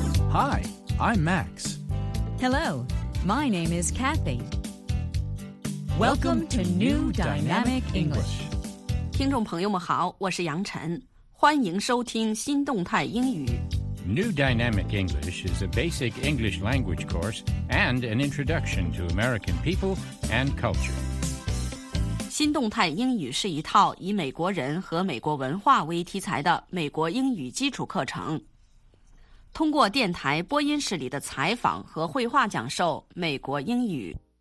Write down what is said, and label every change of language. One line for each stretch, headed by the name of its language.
English: Hi, I'm Max. Hello, my name is Kathy. Welcome to New Dynamic English.
Chinese: 听众朋友们好，我是杨晨，欢迎收听新动态英语。
English: New Dynamic English is a basic English language course and an introduction to American people and culture.
Chinese: 新动态英语是一套以美国人和美国文化为题材的美国英语基础课程。通过电台播音室里的采访和绘画讲授美国英语。